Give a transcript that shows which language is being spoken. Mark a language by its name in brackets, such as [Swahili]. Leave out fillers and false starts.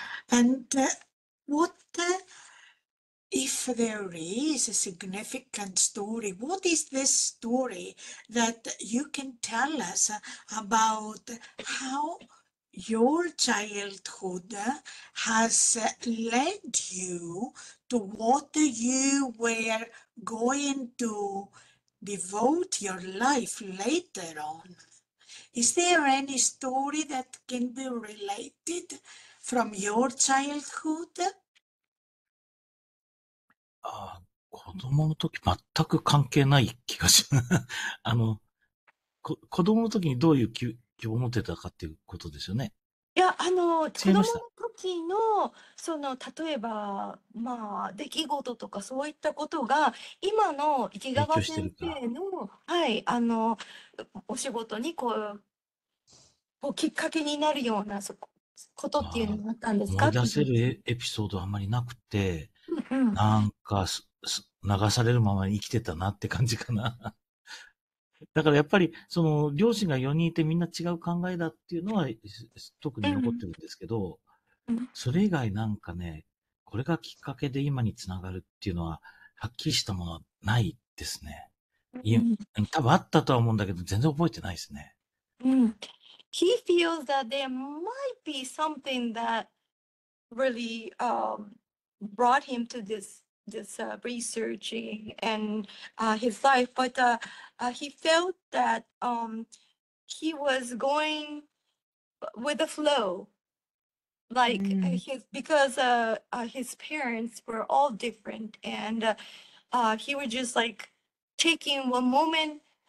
[English] And what if there is a significant story, what is this story that you can tell us about howyour childhood has led you to what you were going to devote your life later on? Is there any story that can be related from your childhood? [Japanese] 子供の時全く関係ない気がします。あの、子供の時にどういう気今日思ってたかっていうことですよね。いや、あの、子供の時の、その、例えば、まあ、出来事とかそういったことが、今の池川先生の、はい、あの、お仕事に、こう、こうきっかけになるようなことっていうのがあったんですか？思い出せるエピソードはあんまりなくて、なんか、流されるままに生きてたなって感じかな。だからやっぱり、その、両親が4人いてみんな違う考えだっていうのは、特に残ってるんですけど、それ以外なんかね、これがきっかけで今につながるっていうのは、はっきりしたものはないですね。多分あったとは思うんだけど、全然覚えてないですね。うん。 [English] He feels that there might be something that really, brought him to this researching and his life, but he felt that he was going with the flow, like because his parents were all different, and he was just like taking one moment